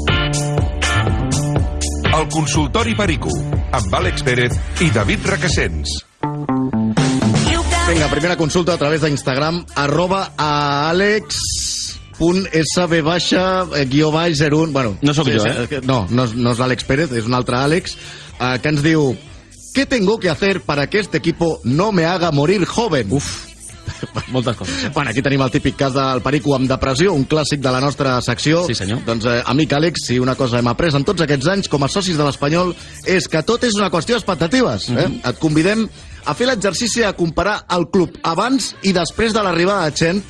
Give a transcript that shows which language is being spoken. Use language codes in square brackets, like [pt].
[ca] El consultori Pericu, amb Àlex Pérez i David Requesens. Vinga, primera consulta a través d'Instagram, @alex.sb-01. Bueno, no sóc jo. No és l'Àlex Pérez, és un altre Àlex, que ens diu... [es] ¿Qué tengo que hacer para que este equipo no me haga morir joven? [ca] Uf, moltes coses. Bueno, aquí tenim el típic cas del Pericu amb depressió, un clàssic de la nostra secció. Sí, senyor. Doncs, amic Àlex, si una cosa hem après en tots aquests anys com a socis de l'Espanyol és que tot és una qüestió d'expectatives. Mm-hmm. Et convidem a fer l'exercici a comparar el club abans i després de l'arribada de Chen.